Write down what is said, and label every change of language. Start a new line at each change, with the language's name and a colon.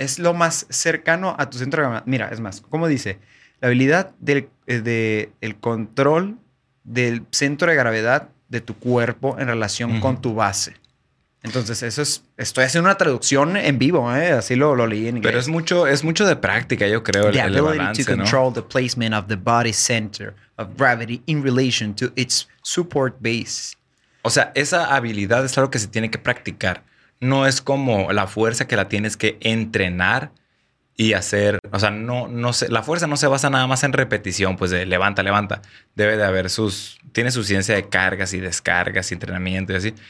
Spanish: Es lo más cercano a tu centro de gravedad. Mira, es más, ¿cómo dice? La habilidad del control del centro de gravedad de tu cuerpo en relación uh-huh. con tu base. Entonces, eso es... Estoy haciendo una traducción en vivo, ¿eh? Así lo leí en inglés. Pero es mucho de práctica, yo creo, el balance, ¿no?
English: The ability to control the placement of the body center of gravity in relation to its support base.
Spanish: O sea, esa habilidad es algo que se tiene que practicar. No es como la fuerza que la tienes que entrenar y hacer. O sea, la fuerza no se basa nada más en repetición, pues de levanta, levanta. Debe de haber tiene su ciencia de cargas y descargas y entrenamiento y así.